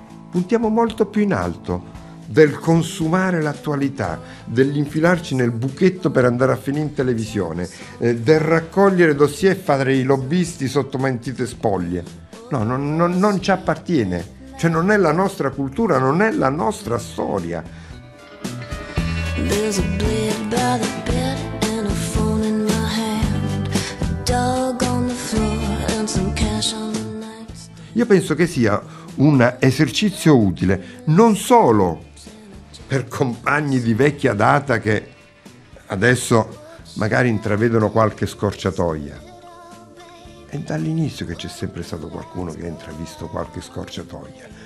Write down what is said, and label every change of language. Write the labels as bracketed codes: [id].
[it] Puntiamo molto più in alto del consumare l'attualità, dell'infilarci nel buchetto per andare a finire in televisione, del raccogliere dossier e fare i lobbisti sotto mentite spoglie. No, non ci appartiene, cioè non è la nostra cultura, non è la nostra storia. [en] There's a bleed by the bed and a phone in my hand, a dog on the floor and some cash on the night. [it] Io penso che sia un esercizio utile non solo per compagni di vecchia data che adesso magari intravedono qualche scorciatoia. È dall'inizio che c'è sempre stato qualcuno che ha intravisto qualche scorciatoia.